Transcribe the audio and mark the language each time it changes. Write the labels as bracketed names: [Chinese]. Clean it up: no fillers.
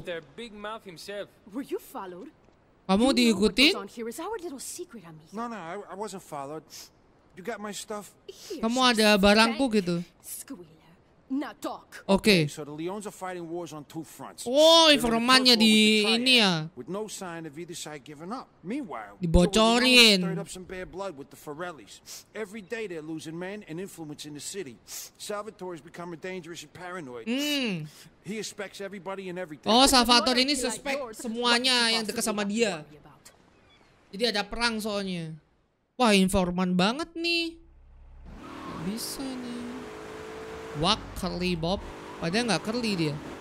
[English] their big mouth himself. Were you followed? [Indonesian] Kamu diikuti? [English] What goes on here is our little secret, Amir. No, I wasn't followed. You got my stuff. Here, [Indonesian] kamu ada barangku bank. Gitu. [English] Squealer. Now talk. Okay. So the Leones are fighting wars on two fronts. [Indonesian] Oh, informannya di ini ya. [English] With no sign of either side giving up. Meanwhile, [Indonesian] dibocorin. [English] The Leones stirred up some bad blood with the Ferrellis. Every day they're losing men and influence in the city. Salvatore is becoming dangerous and paranoid. He suspects everybody and everything. [Indonesian] Oh, Salvatore ini suspect semuanya yang dekat sama dia. Jadi ada perang soalnya. Wah, informan banget nih. Bisa nih. Wak Curly Bob. Padahal nggak curly dia.